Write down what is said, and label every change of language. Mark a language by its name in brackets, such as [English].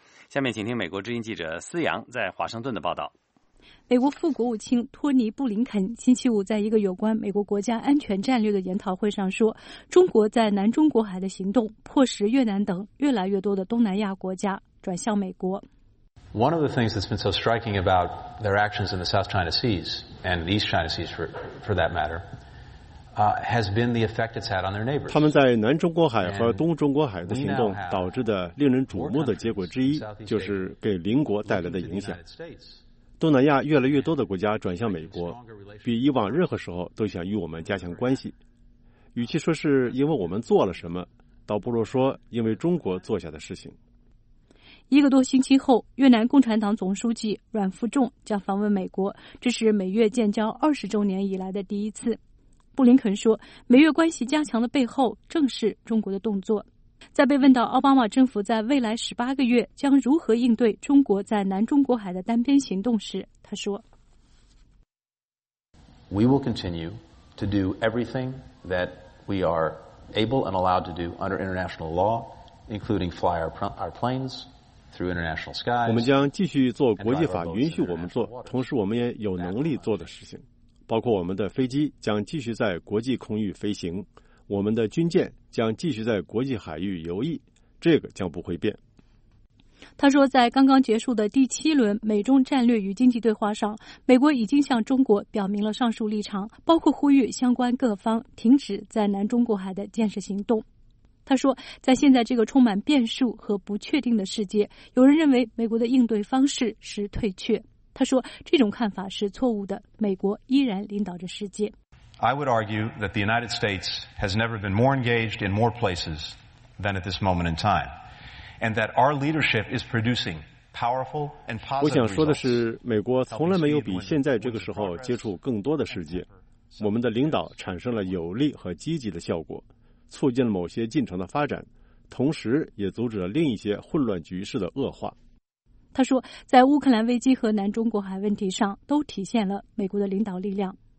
[Chinese] 下面请听美国之音记者思阳在华盛顿的报道。美国副国务卿托尼·布林肯星期五在一个有关美国国家安全战略的研讨会上说，中国在南中国海的行动迫使越南等越来越多的东南亚国家转向美国。 [English] One of the things that's been so striking about their actions in the South China Seas and the East China Seas for that matter, has been the effect it's had on their neighbors. [Chinese] 他们在南中国海和东中国海的行动导致的令人瞩目的结果之一，就是给邻国带来的影响。东南亚越来越多的国家转向美国，比以往任何时候都想与我们加强关系。与其说是因为我们做了什么，倒不如说因为中国做下的事情。一个多星期后，越南共产党总书记阮富仲将访问美国，这是美越建交20周年以来的第一次。布林肯说，美越关系加强的背后正是中国的动作。在被问到奥巴马政府在未来18个月将如何应对中国在南中国海的单边行动时，他说 [English] We will continue to do everything that we are able and allowed to do under international law, including fly our planes through international skies. [Chinese] 我们将继续做国际法允许我们做，同时我们也有能力做的事情，包括我们的飞机将继续在国际空域飞行，我们的军舰将继续在国际海域游弋，这个将不会变。他说，在刚刚结束的第七轮美中战略与经济对话上，美国已经向中国表明了上述立场，包括呼吁相关各方停止在南中国海的建设行动。他说，在现在这个充满变数和不确定的世界，有人认为美国的应对方式是退却。他说，这种看法是错误的，美国依然领导着世界。 [English] I would argue that the United States has never been more engaged in more places than at this moment in time. And that our leadership is producing powerful and positive results. [Chinese] 我想说的是，美国从来没有比现在这个时候接触更多的世界。我们的领导产生了有力和积极的效果，促进了某些进程的发展，同时也阻止了另一些混乱局势的恶化。他说，在乌克兰危机和南中国海问题上，都体现了美国的领导力量。